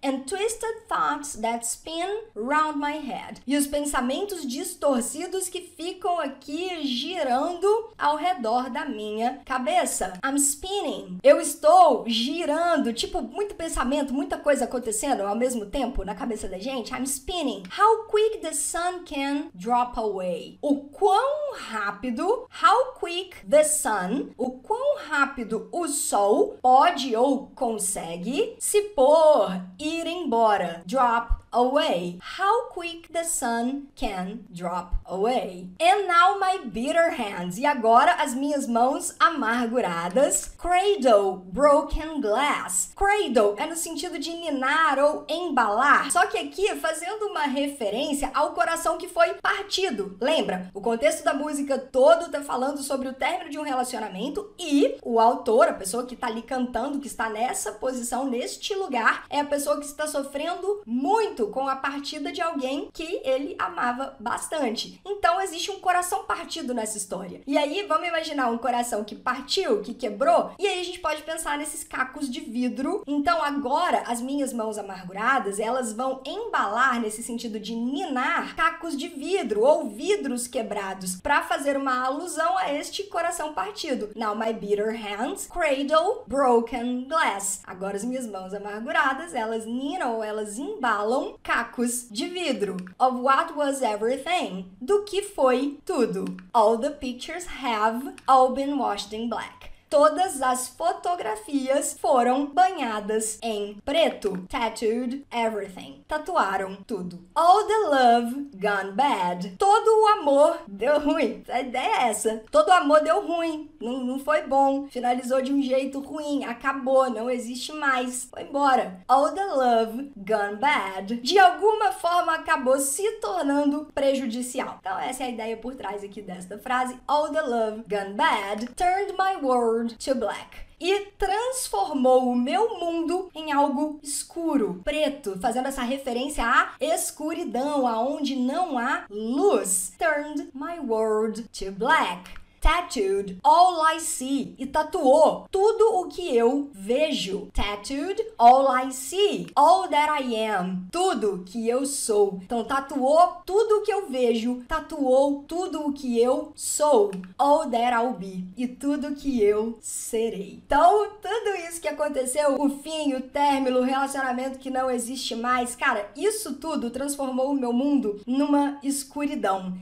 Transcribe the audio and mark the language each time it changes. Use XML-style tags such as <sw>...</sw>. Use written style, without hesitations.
<en>And twisted thoughts that spin round my head.</en> <pt>E os pensamentos distorcidos que ficam aqui girando ao redor da minha cabeça.</pt> <en>I'm spinning.</en> <pt>Eu estou girando. Tipo, muito pensamento, muita coisa acontecendo ao mesmo tempo na cabeça da gente.</pt> <en>I'm spinning. How quick the sun can drop away.</en> <pt>O quão rápido,</pt> <en>how quick the sun,</en> <pt>o quão rápido o sol pode ou consegue se pôr, ir embora. Drop</pt> <en>away. How quick the sun can drop away. And now my bitter hands.</en> <pt>E agora as minhas mãos amarguradas.</pt> <en>Cradle, broken glass.</en> <pt>Cradle é no sentido de ninar ou embalar. Só que aqui, fazendo uma referência ao coração que foi partido. Lembra? O contexto da música todo tá falando sobre o término de um relacionamento e o autor, a pessoa que tá ali cantando, que está nessa posição, neste lugar, é a pessoa que está sofrendo muito com a partida de alguém que ele amava bastante. Então, existe um coração partido nessa história. E aí, vamos imaginar um coração que partiu, que quebrou, e aí a gente pode pensar nesses cacos de vidro. Então, agora, as minhas mãos amarguradas, elas vão embalar, nesse sentido de ninar, cacos de vidro ou vidros quebrados, para fazer uma alusão a este coração partido.</pt> <en>Now, my bitter hands, cradle, broken glass.</en> <pt>Agora, as minhas mãos amarguradas, elas ninam, elas embalam cacos de vidro.</pt> <en>Of what was everything?</en> <pt>Do que foi tudo?</pt> <en>All the pictures have all been washed in black.</en> <pt>Todas as fotografias foram banhadas em preto.</pt> <en>Tattooed everything.</en> <pt>Tatuaram tudo.</pt> <en>All the love gone bad.</en> <pt>Todo o amor deu ruim. A ideia é essa. Todo o amor deu ruim. Não foi bom. Finalizou de um jeito ruim. Acabou. Não existe mais. Foi embora.</pt> <en>All the love gone bad.</en> <pt>De alguma forma acabou se tornando prejudicial. Então essa é a ideia por trás aqui desta frase.</pt> <en>All the love gone bad turned my world to black.</en> <pt>E transformou o meu mundo em algo escuro, preto, fazendo essa referência à escuridão, aonde não há luz.</pt> <en>Turned my world to black. Tattooed all I see.</en> <pt>E tatuou tudo o que eu vejo.</pt> <en>Tattooed all I see. All that I am.</en> <pt>Tudo que eu sou. Então tatuou tudo o que eu vejo. Tatuou tudo o que eu sou.</pt> <en>All that I'll be.</en> <pt>E tudo que eu serei. Então, tudo isso que aconteceu, o fim, o término, o relacionamento que não existe mais, cara, isso tudo transformou o meu mundo numa escuridão.</pt>